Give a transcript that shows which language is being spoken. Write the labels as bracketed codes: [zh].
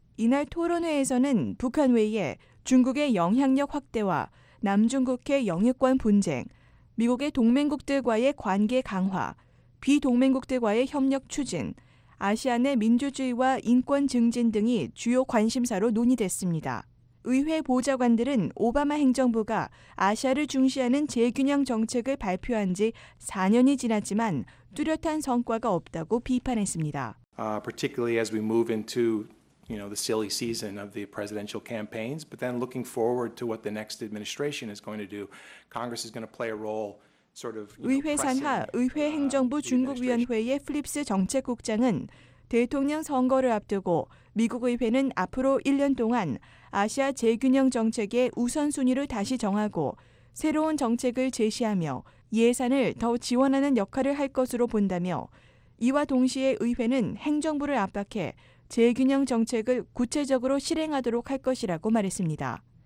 [ko] 이날 토론회에서는 북한 외에 중국의 영향력 확대와 남중국해 영유권 분쟁, 미국의 동맹국들과의 관계 강화, 비동맹국들과의 협력 추진, 아시아 내 민주주의와 인권 증진 등이 주요 관심사로 논의됐습니다. 의회 보좌관들은 오바마 행정부가 아시아를 중시하는 재균형 정책을 발표한 지 4년이 지났지만 뚜렷한 성과가 없다고 비판했습니다. [en] Particularly as we move into, you know, the silly season of the presidential campaigns, but then looking forward to what the next administration is going to do, Congress is going to play a role sort of. [ko] 의회 산하 의회 행정부 중국위원회의 플립스 정책국장은 대통령 선거를 앞두고 미국 의회는 앞으로 1년 동안 아시아 재균형 정책의 우선순위를 다시 정하고 새로운 정책을 제시하며 예산을 더 지원하는 역할을 할 것으로 본다며 이와 동시에 의회는 행정부를 압박해 재균형 정책을 구체적으로 실행하도록 할 것이라고 말했습니다.